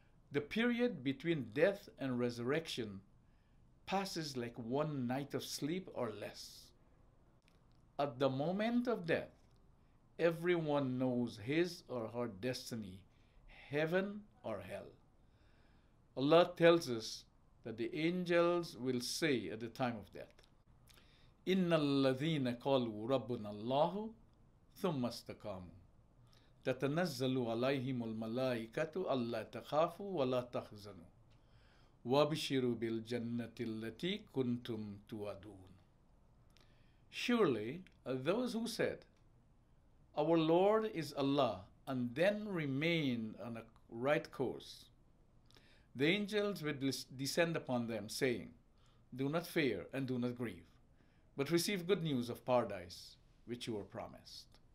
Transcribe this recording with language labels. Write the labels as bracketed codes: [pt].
[en] The period between death and resurrection passes like one night of sleep or less. At the moment of death, everyone knows his or her destiny, heaven or hell. Allah tells us that the angels will say at the time of death, [ar] "إِنَّ الَّذِينَ قَالُوا رَبُّنَا اللَّهُ ثُمَّ اسْتَقَامُوا تَتَنَزَّلُ عَلَيْهِمُ الْمَلَائِكَةُ أَلَّا تَخَافُوا وَلَا تَحْزَنُوا وَبِشِرُوا بِالْجَنَّةِ الَّتِي كُنْتُمْ تُوَعَدُونَ." [en] Surely, those who said, "Our Lord is Allah," and then remain on a right course, the angels would descend upon them, saying, "Do not fear and do not grieve, but receive good news of paradise, which you were promised."